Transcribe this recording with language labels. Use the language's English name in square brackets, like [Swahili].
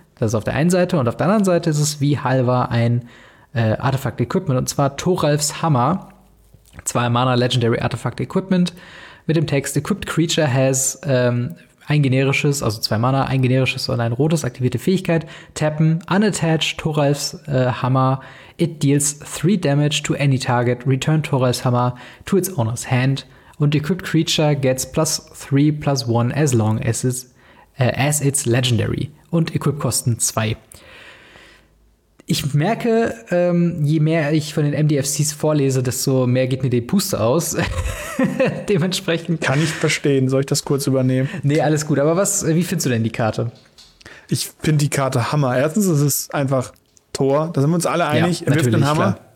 [German] Das ist auf der einen Seite, und auf der anderen Seite ist es wie Halvar ein Artifact Equipment, und zwar Thoralfs Hammer. 2 Mana Legendary Artifact Equipment mit dem Text: [English] Equipped Creature has [German] ein generisches, also 2 Mana, ein generisches und ein rotes, aktivierte Fähigkeit. Tappen, unattached Thoralfs Hammer. [English] It deals 3 damage to any target. Return Thoralfs Hammer to its owner's hand. [German] Und [English] Equipped Creature gets +3/+1 as long as it's legendary. [German] Und Equip kosten 2. Ich merke, je mehr ich von den MDFCs vorlese, desto mehr geht mir die Puste aus. Dementsprechend. Kann ich verstehen. Soll ich das kurz übernehmen? Nee, alles gut. Aber wie findest du denn die Karte? Ich finde die Karte Hammer. Erstens, es ist einfach Tor. Da sind wir uns alle einig. Ja, er wirft einen Hammer.